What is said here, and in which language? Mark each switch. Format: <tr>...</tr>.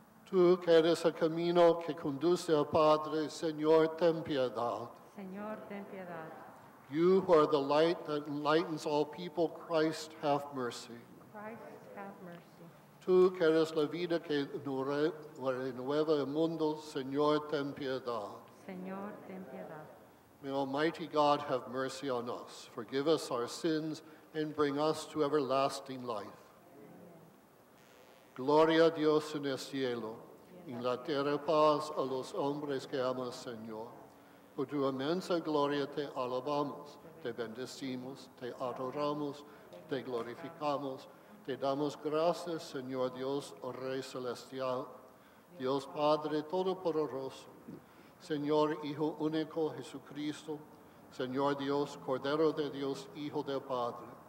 <es>Tú que eres el camino que conduce al Padre, Señor, ten piedad. Señor, ten piedad.</es> <en>You who are the light that enlightens all people, Christ, have mercy. Christ, have mercy.</en> <es>Tú que eres la vida que renueva el mundo, Señor, ten piedad. Señor, ten piedad.</es> <en>May Almighty God have mercy on us, forgive us our sins, and bring us to everlasting life.</en> <es>Gloria a Dios en el cielo, y en la tierra paz a los hombres que amas, Señor. Por tu inmensa gloria te alabamos, te bendecimos, te adoramos, te glorificamos, te damos gracias, Señor Dios, Rey Celestial, Dios Padre Todopoderoso, Señor Hijo Único Jesucristo, Señor Dios, Cordero de Dios, Hijo del Padre.</es>